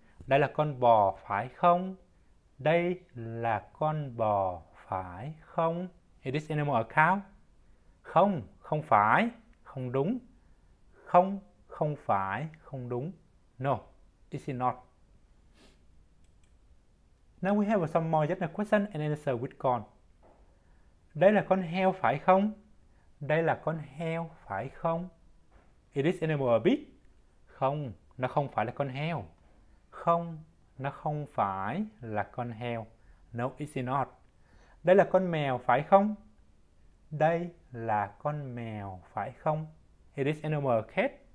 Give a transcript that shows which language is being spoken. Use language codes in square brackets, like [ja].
[vi] Đây là con bò, phải không? Đây là con bò, phải không? [en] It is animal cow. [vi] Không, không phải, không đúng. Không, không phải, không đúng. [en] No, it is not. Now we have some more general question and answer with con. [vi] Đây là con heo phải không? Đây là con heo phải không? [en] It is animal big. [vi] Không, nó không phải là con heo. Không, nó không phải là con heo. [en] No, it is not. [vi] Đây là con mèo phải không? Đây là con mèo phải không? [en] It is animal cat.